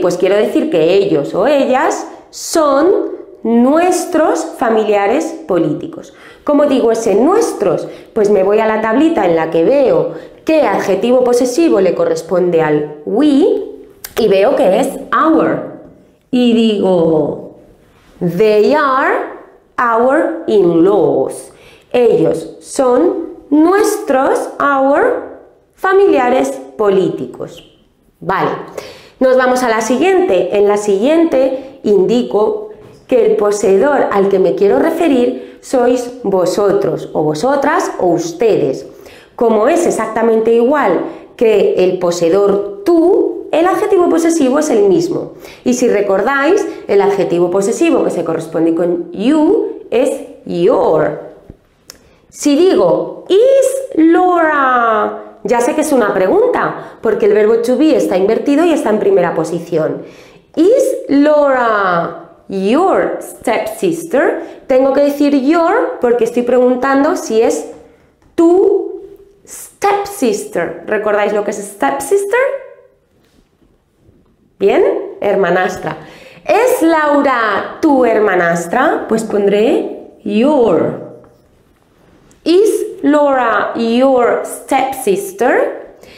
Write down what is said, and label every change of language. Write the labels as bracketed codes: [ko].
[es] Pues quiero decir que ellos o ellas son nuestros familiares políticos. ¿Cómo digo ese nuestros? Pues me voy a la tablita en la que veo qué adjetivo posesivo le corresponde al we y veo que es our. Y digo, [en] they are our in-laws. [es] Ellos son nuestros, our, familiares políticos. Vale, nos vamos a la siguiente. En la siguiente indico que el poseedor al que me quiero referir sois vosotros, o vosotras, o ustedes. Como es exactamente igual que el poseedor tú, el adjetivo posesivo es el mismo. Y si recordáis, el adjetivo posesivo que se corresponde con you es your. Si digo, [en] is Laura, [es] ya sé que es una pregunta, porque el verbo to be está invertido y está en primera posición. [en] Is Laura your stepsister? [es] Tengo que decir your porque estoy preguntando si es tu stepsister. ¿Recordáis lo que es stepsister? ¿Bien? Hermanastra. ¿Es Laura tu hermanastra? Pues pondré [en] your. ¿Is Laura your stepsister?